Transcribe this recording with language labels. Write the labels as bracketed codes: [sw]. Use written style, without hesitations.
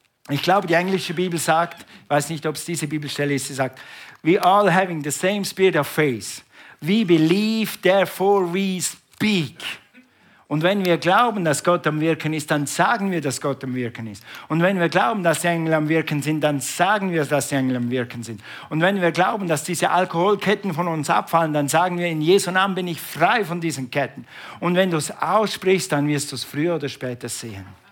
[de] Ich glaube, die englische Bibel sagt, ich weiß nicht, ob es diese Bibelstelle ist, sie sagt, [en] we all having the same spirit of faith. We believe, therefore we speak. [de] Und wenn wir glauben, dass Gott am Wirken ist, dann sagen wir, dass Gott am Wirken ist. Und wenn wir glauben, dass die Engel am Wirken sind, dann sagen wir, dass die Engel am Wirken sind. Und wenn wir glauben, dass diese Alkoholketten von uns abfallen, dann sagen wir, in Jesu Namen bin ich frei von diesen Ketten. Und wenn du es aussprichst, dann wirst du es früher oder später sehen.